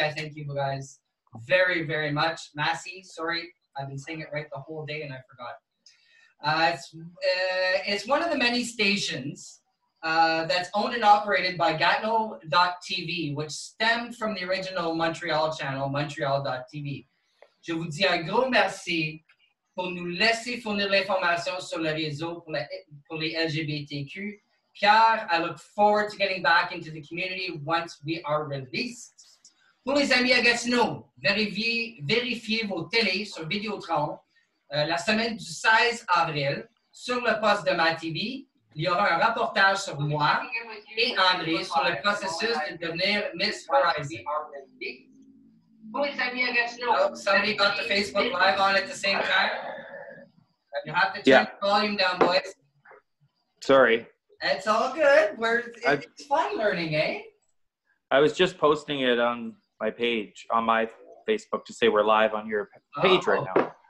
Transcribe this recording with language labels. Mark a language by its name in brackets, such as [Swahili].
[English] I thank you guys very, very much. Massey, sorry, I've been saying it right the whole day and I forgot. It's one of the many stations that's owned and operated by Gatineau.tv, which stemmed from the original Montreal channel, Montreal.tv. [French] Je vous dis un gros merci pour nous laisser fournir l'information sur le réseau pour les LGBTQ. [English] Pierre, I look forward to getting back into the community once we are released. [French] Pour les amis à Gatineau, vérifiez vos télés sur Vidéotron la semaine du 16 avril sur le poste de MaTV. Il y aura un reportage sur moi et André sur le processus de devenir Miss Horizon. [English] Somebody got the Facebook Live on at the same time. You have to turn the volume down, boys. Sorry. It's all good. It's fun learning, eh? I was just posting it on my page, on my Facebook, to say we're live on your page right now.